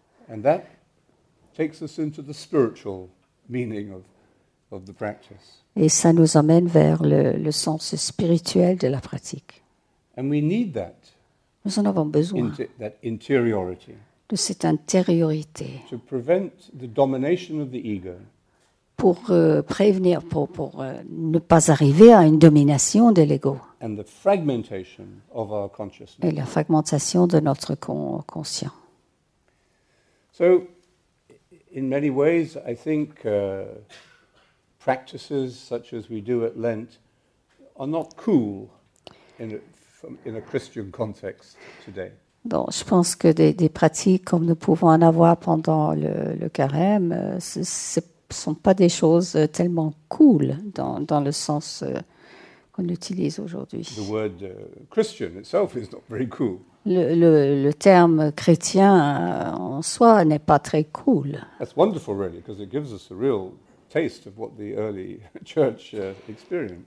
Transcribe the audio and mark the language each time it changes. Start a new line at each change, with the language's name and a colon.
English: And that takes us into the spiritual meaning of the practice.
French: Et ça nous emmène vers le sens spirituel de la pratique.
English: And we need that.
French: Nous en avons besoin.
English: That interiority.
French: De cette intériorité.
English: To prevent the domination of the ego.
French: Pour ne pas arriver à une domination de l'ego.
English: And the fragmentation of our consciousness.
French: Et la fragmentation de notre conscient.
English: So, in many ways, I think practices such as we do at Lent are not cool in a Christian context today.
French: Bon, je pense que des pratiques comme nous pouvons en avoir pendant le carême, ce sont pas des choses tellement cool dans le sens qu'on utilise aujourd'hui.
English: The word Christian itself is not very cool.
French: Le terme chrétien en soi n'est pas très cool.
English: That's wonderful, really, because it gives us a real taste of what the early church experienced.